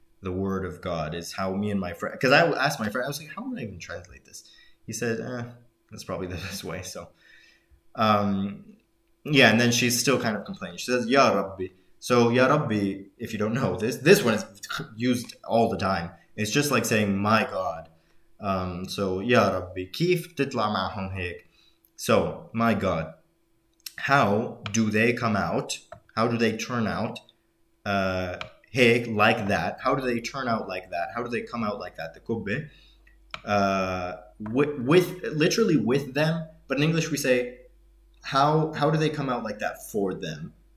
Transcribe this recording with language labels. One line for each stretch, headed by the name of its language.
English: The word of God is how me and my friend, because I asked my friend, I was like, how would I even translate this? He said, that's probably the best way. So Yeah, and then she's still kind of complaining. She says, Ya Rabbi. So, Ya Rabbi, if you don't know this, this one is used all the time. It's just like saying, My God. So, Ya Rabbi,
Arabic: كيف تطلع معهم هيك?
English: So, My God, how do they come out? How do they turn out? Hey, like that. How do they turn out like that? How do they come out like that? The kubbe. With literally with them, but in English we say, how do they come out like that for them?